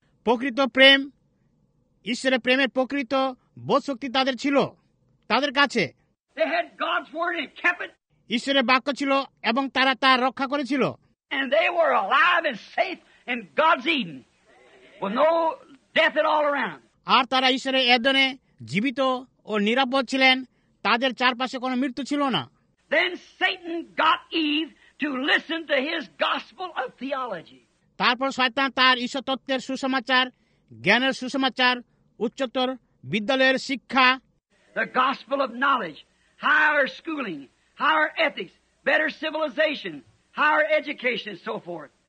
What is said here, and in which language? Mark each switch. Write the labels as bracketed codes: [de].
[bn] প্রকৃত প্রেম ঈশ্বরের প্রেমের প্রকৃত বোধশক্তি তাদের ছিল তাদের কাছে [en] They had God's word and kept it. [bn] ঈশ্বরের বাক্য ছিল এবং তারা তা রক্ষা করেছিল [en] And they were alive and safe in God's Eden with no death at all around. [bn] আর তারা ঈশ্বরের এদনে জীবিত ও নিরাপদ ছিলেন তাদের চারপাশে কোনো মৃত্যু ছিল না [en] Then Satan got Eve to listen to his gospel of theology. [bn] তারপর শয়তান তার ঈশ্বর তত্ত্বের সুসমাচার জ্ঞানের সুসমাচার উচ্চতর বিদ্যালয়ের শিক্ষা [en] The gospel of knowledge, higher schooling, higher ethics, better civilization, higher education, and so forth.